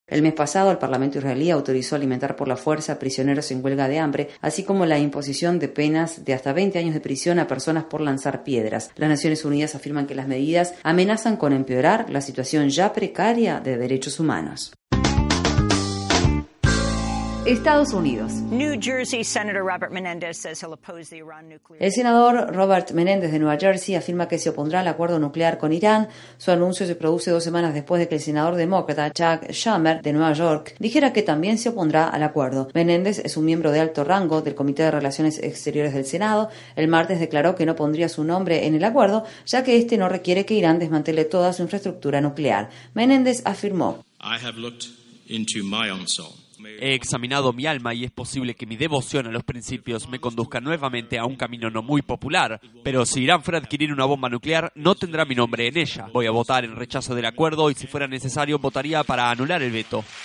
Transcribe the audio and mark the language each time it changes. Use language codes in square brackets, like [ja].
[es] El mes pasado, el Parlamento israelí autorizó alimentar por la fuerza a prisioneros en huelga de hambre, así como la imposición de penas de hasta 20 años de prisión a personas por lanzar piedras. Las Naciones Unidas afirman que las medidas amenazan con empeorar la situación ya precaria de derechos humanos. Estados Unidos. [en] New Jersey Senator Robert Menendez says he'll oppose the Iran nuclear. [es] El senador Robert Menendez de Nueva Jersey afirma que se opondrá al acuerdo nuclear con Irán. Su anuncio se produce 2 semanas después de que el senador demócrata Chuck Schumer de Nueva York dijera que también se opondrá al acuerdo. Menendez es un miembro de alto rango del Comité de Relaciones Exteriores del Senado. El martes declaró que no pondría su nombre en el acuerdo, ya que este no requiere que Irán desmantele toda su infraestructura nuclear. Menendez afirmó: [en] I have looked into my own soul. [es] He examinado mi alma y es posible que mi devoción a los principios me conduzca nuevamente a un camino no muy popular. Pero si Irán fuera a adquirir una bomba nuclear, no tendrá mi nombre en ella. Voy a votar en rechazo del acuerdo y si fuera necesario, votaría para anular el veto.